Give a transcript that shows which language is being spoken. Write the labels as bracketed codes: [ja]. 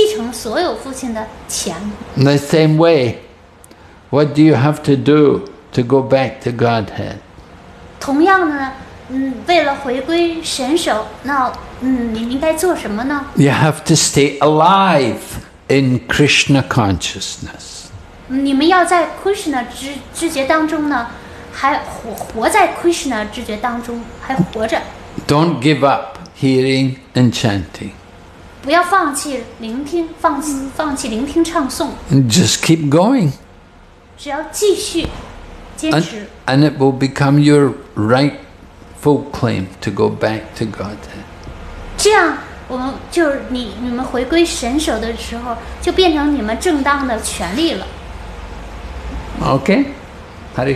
[zh] 所以，当父亲去世的时候，这儿子自然而然的就会继承所有父亲的钱。 [en] The same way, what do you have to do to go back to Godhead? [zh] 同样呢，为了回归神手，那你应该做什么呢？ [en] You have to stay alive in Krishna consciousness. [zh] 你们要在Krishna知觉当中呢，还活在 Krishna知觉当中，还活着。 [en] Don't give up hearing and chanting. [zh] 不要放弃聆听，放弃聆听唱诵。 [en] Just keep going. [zh] 只要继续。 [en] And it will become your rightful claim to go back to Godhead. Okay? Hare Krishna.